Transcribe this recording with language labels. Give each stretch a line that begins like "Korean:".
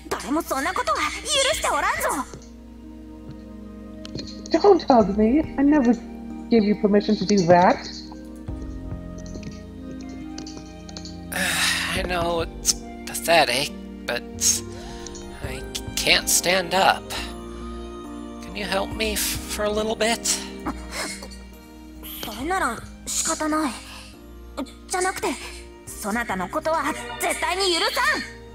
Japanese: もそんなことは許しておらんぞ。
English: Don't hug me! I never gave you permission to do that! I know it's pathetic, but I can't stand up. Can you help me for a little bit?
Japanese: それなら仕方ない。じゃなくて、そなたのことは絶対に許さん。